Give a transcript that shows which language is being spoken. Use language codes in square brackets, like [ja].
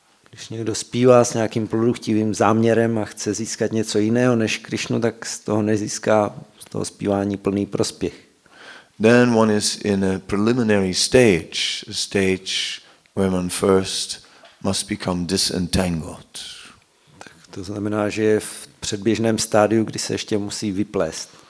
[cs] Když někdo zpívá s nějakým produktivým záměrem a chce získat něco jiného než Krišnu, tak z toho nezíská to zpívání plný prospěch. [en] Then one is in a preliminary stage, a stage where one first must become disentangled. [cs] Tak to znamená, že je v předběžném stádiu, kdy se ještě musí vyplést.